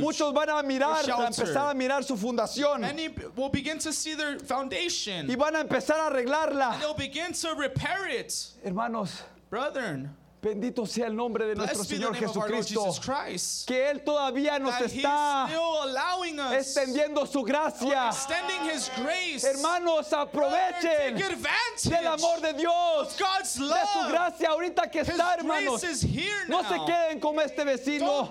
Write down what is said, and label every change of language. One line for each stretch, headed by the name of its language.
Spanish: Muchos van a mirar, a empezar a mirar su fundación.
English: Many will begin to see their foundation.
Spanish: Y van a empezar a arreglarla.
English: And they'll begin to repair it.
Spanish: Hermanos.
English: Brethren.
Spanish: Bendito sea el nombre de nuestro Señor Jesucristo. Que Él todavía nos está extendiendo su gracia. Hermanos, aprovechen del amor de Dios. De su gracia ahorita que está, hermanos. No se queden como este vecino.